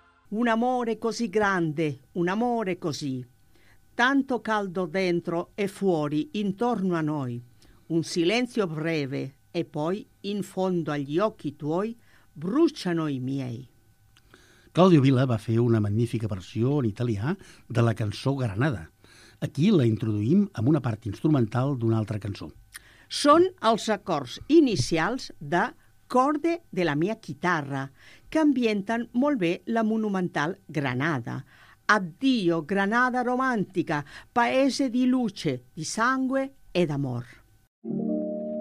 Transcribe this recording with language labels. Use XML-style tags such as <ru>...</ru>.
<it>un amore così grande, un amore così. Tanto caldo dentro e fuori, intorno a noi. Un silenzio breve e poi, in fondo agli occhi tuoi, bruciano i miei.</it> <ca>Claudio Villa va fer una magnífica versió en italià de la cançó Granada. Aquí la introduïm amb una part instrumental d'una altra cançó. Són els acords inicials de Corde de la mia chitarra, que ambienten molt bé la monumental Granada.</ca> <it>Addio, Granada romàntica, paese di luce, di sangue e d'amor.</it>